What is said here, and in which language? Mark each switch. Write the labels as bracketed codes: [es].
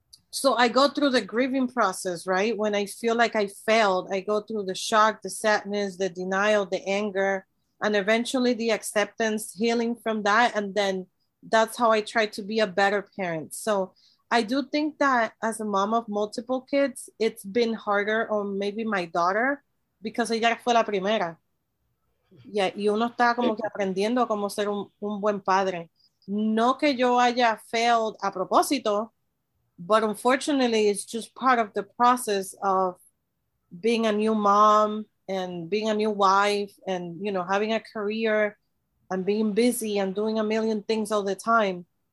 [en] So I go through the grieving process, right? When I feel like I failed, I go through the shock, the sadness, the denial, the anger, and eventually the acceptance, healing from that. And then that's how I try to be a better parent. So I do think that as a mom of multiple kids, it's been harder on maybe my daughter because [es] ella fue la primera. Yeah, y uno está como que aprendiendo cómo ser un buen padre. No que yo haya failed a propósito, [en] but unfortunately, it's just part of the process of being a new mom and being a new wife and, you know, having a career and being busy and doing a million things all the time.